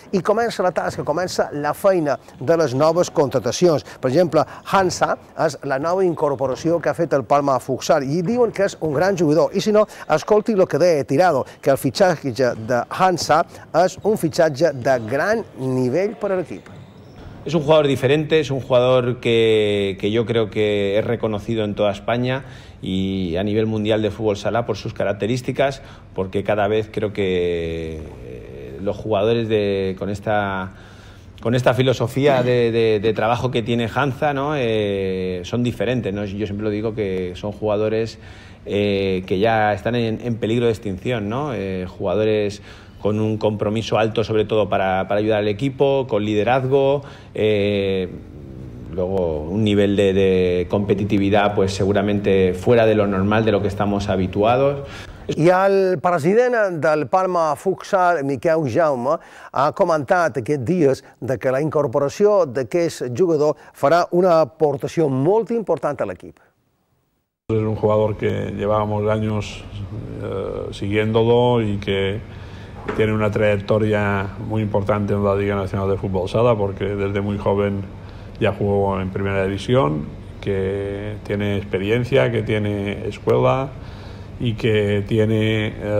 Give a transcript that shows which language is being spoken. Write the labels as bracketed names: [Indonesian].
[Catalan] I comença la tasca, comença la feina de les noves contratacions. Per exemple, Hansa és la nova incorporació que ha fet el Palma Futsal i diuen que és un gran jugador. I si no, escolti el que deia Tirado, que el fitxatge de Hansa és un fitxatge de gran nivell per a l'equip. [Spanish] Es un jugador diferente, es un jugador que yo creo que es reconocido en toda España y a nivel mundial de fútbol sala por sus características, porque cada vez creo que los jugadores con esta filosofía de trabajo que tiene Hansa, ¿no? Son diferentes, ¿no? Yo siempre lo digo que son jugadores que ya están en peligro de extinción, ¿no? Jugadores con un compromiso alto, sobre todo para ayudar al equipo, con liderazgo, luego un nivel de competitividad pues seguramente fuera de lo normal, de lo que estamos habituados. [Catalan] I el president del Palma Futsal, Miquel Jaume, ha comentat aquests dies que la incorporació d'aquest jugador farà una aportació molt important a l'equip. [Spanish] És un jugador que llevábamos años siguiéndolo y que tiene una trayectoria muy importante en la Liga Nacional de Fútbol Sala, porque desde muy joven ya jugó en Primera División, que tiene experiencia, que tiene escuela y que tiene